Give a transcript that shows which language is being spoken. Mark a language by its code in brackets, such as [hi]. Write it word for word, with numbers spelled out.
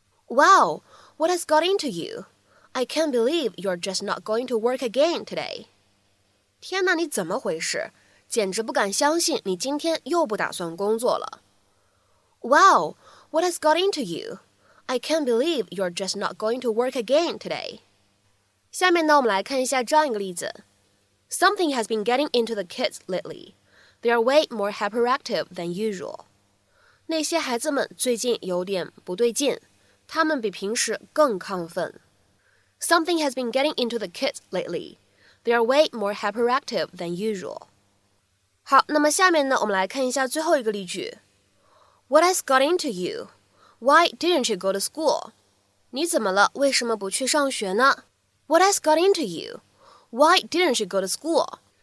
[en] Wow, what has got into you? I can't believe you're just not going to work again today. [zh] 天哪，你怎么回事？简直不敢相信你今天又不打算工作了。 [en] Wow, what has got into you? I can't believe you're just not going to work again today. [zh] 下面呢，我们来看一下这样一个例子。 [en] Something has been getting into the kids lately. They are way more hyperactive than usual. [zh] 那些孩子们最近有点不对劲，他们比平时更亢奋。 [en] Something has been getting into the kids lately. They are way more hyperactive than usual. [zh] 好，那么下面呢，我们来看一下最后一个例句。 [en] What has got into you? Why didn't you go to school? [zh] 你怎么了？为什么不去上学呢？ [en] What has got into you? Why didn't you go to school?